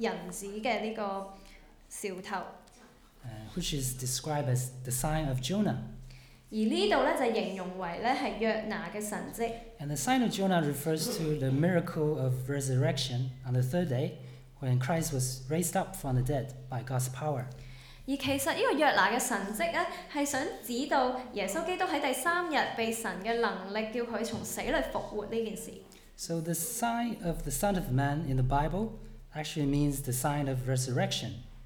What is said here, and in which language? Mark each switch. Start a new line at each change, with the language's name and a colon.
Chinese: 在这里主耶稣基督告诉我们,在这个世代里面,只有一个的兆头,一个神迹可以被大家看到,就是人子的这个兆头。
English: Which is described as the sign of Jonah.
Chinese: 而这里就形容为是约拿的神迹。
English: And the sign of Jonah refers to the miracle of resurrection on the third day, when Christ was raised up from the dead by God's power.
Chinese: 而其实这个约拿的神迹是想指导耶稣基督在第三日被神的能力叫他从死里复活这件事。
English: So the sign of the Son of Man in the Bible actually means the sign of resurrection.